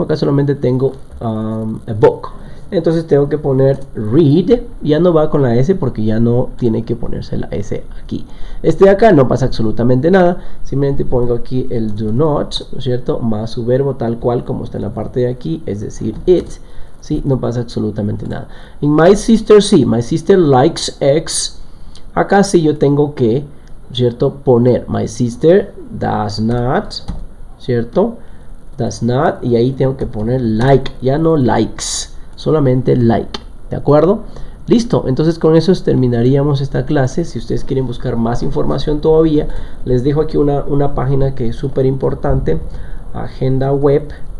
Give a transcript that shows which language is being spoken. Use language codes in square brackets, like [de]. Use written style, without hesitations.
[es] Acá solamente tengo [en] a book. [es] Entonces tengo que poner read, ya no va con la S porque ya no tiene que ponerse la S aquí. Este de acá no pasa absolutamente nada, simplemente pongo aquí el [en] do not, [es] ¿no es cierto? Más su verbo tal cual como está en la parte de aquí, es decir, it. Sí, no pasa absolutamente nada. [en] In my sister, [es] sí, [en] my sister likes eggs. [es] Acá sí yo tengo que, ¿cierto?, poner [en] my sister does not, [es] ¿cierto?, [en] does not, [es] y ahí tengo que poner like, ya no likes, solamente like, ¿de acuerdo? Listo, entonces con eso terminaríamos esta clase. Si ustedes quieren buscar más información todavía, les dejo aquí una página que es súper importante, agendaweb.org.